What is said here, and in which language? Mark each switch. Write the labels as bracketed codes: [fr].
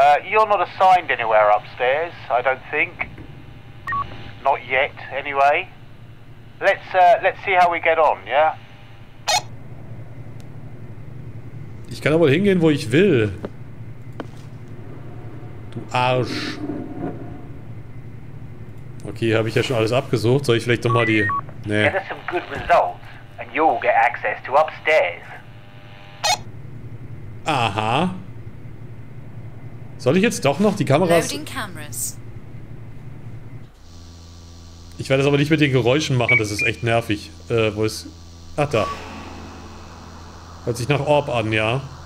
[en] You're not assigned anywhere upstairs, I don't think. Not yet, anyway. Let's see how we get on, yeah? [de] Ich kann aber hingehen, wo ich will. Du Arsch. Okay, habe ich ja schon alles abgesucht. Soll ich vielleicht nochmal die... Nee. [en] Get us some good results and you'll get access to upstairs. Aha. [de] Soll ich jetzt doch noch die Kameras... Ich werde das aber nicht mit den Geräuschen machen, das ist echt nervig. Wo ist... Ach, da. Hört sich nach Orb an, ja.